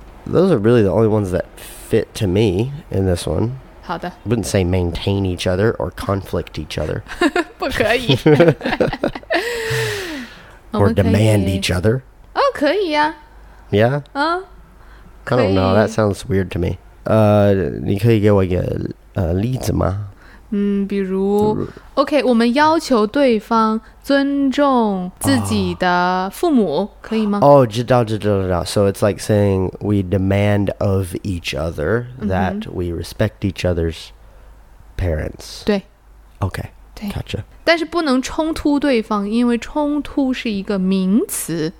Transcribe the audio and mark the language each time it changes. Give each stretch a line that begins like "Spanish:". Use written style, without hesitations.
English: Those are really the only ones that fit to me in this one.
Chinese: 好的。
English: I wouldn't say maintain each other or conflict each other.
Chinese: 不可以。
English: Or demand each other.
Chinese: 哦,可以啊。
English: Yeah?
Chinese: 可以。
English: I don't know, that sounds weird to me.
Chinese: 你可以给我一个例子吗? 比如 OK, 我们要求对方尊重自己的父母, 可以吗? 哦,知道,知道,知道。
English: So it's like saying we demand of each other that we respect each other's parents.
Chinese: 对。
English: OK,
Chinese: 对。
English: Gotcha.
Chinese: 但是不能冲突对方, 因为冲突是一个名词。